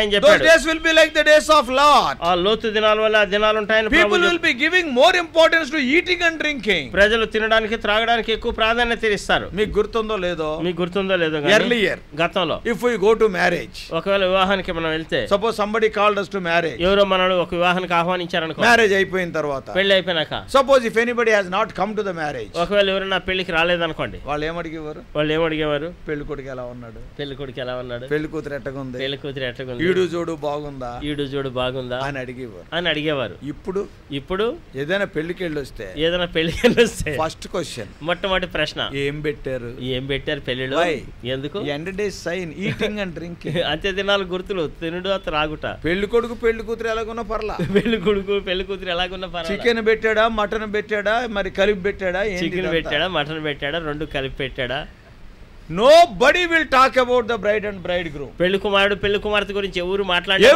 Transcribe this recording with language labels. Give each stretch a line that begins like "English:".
English: Those days will be like the days of Lot.
Telugu: ఆ లోతు దినాల వలె ఆ దినాలు ఉంటాయని.
English: People will be giving more importance to eating and drinking.
Telugu: ప్రజలు తినడానికి త్రాగడానికి ఎక్కువ ప్రాధాన్యత ఇస్తారు. మీకు గుర్తుందో లేదో, మీకు గుర్తుందో లేదో గానీ
English: earlier
Telugu: గతంలో,
English: if you go to marriage,
Telugu: ఒకవేళ వివాహానికి మనం వెళ్తే,
English: suppose somebody called us to marriage,
Telugu: ఎవరో మనల్ని ఒక వివాహానికి ఆహ్వానించారు అనుకో, మ్యారేజ్ అయిపోయిన తర్వాత, పెళ్లి అయిపోయినాక,
English: suppose if anybody has not come to the marriage,
Telugu: ఒకవేళ ఎవరైనా పెళ్లికి రాలేదు అనుకోండి, వాళ్ళు ఏమడిగేవారు, వాళ్ళు ఏమడిగేవారు, పెళ్లి కొడుకు ఎలా ఉన్నాడు, పెళ్లి కొడుకు ఎలా ఉన్నాడు, పెళ్లి కూతురు ఎట్టగుంది, పెళ్లి కూతురు ఎట్టగుంది, ఈడు చూడు బాగుందా, ఈడు చూడు బాగుందా అని అడిగేవారు, అని అడిగేవారు. ఇప్పుడు ఇప్పుడు ఏదైనా పెళ్లికెళ్ళి వస్తే, ఏదైనా పెళ్లికెళ్ళి వస్తే
English: first question,
Telugu: మొట్టమొదటి ప్రశ్న, ఏం పెట్టారు, ఏం పెట్టారు పెళ్లిలో, ఎందుకు,
English: end day sign, eating and drinking,
Telugu: అంత్య దినాలు గుర్తులు, తినడు త్రాగుట, పెళ్లి కొడుకు పెళ్లి కూతురు ఎలాగున్నా పర్లా, పెళ్లి కొడుకు పెళ్లి కూతురు ఎలాగున్నా పర్లా, చికెన్ పెట్టాడా, మటన్ పెట్టాడా, మరి కలిపి పెట్టాడా, చికెన్ పెట్టాడా, మటన్ పెట్టాడా, రెండు కలిపి పెట్టాడా.
English: Nobody will talk about the bride and bridegroom.
Telugu: పెళ్ళికుమారుడు పెళ్ళికుమార్తె గురించి ఎవరు మాట్లాడే,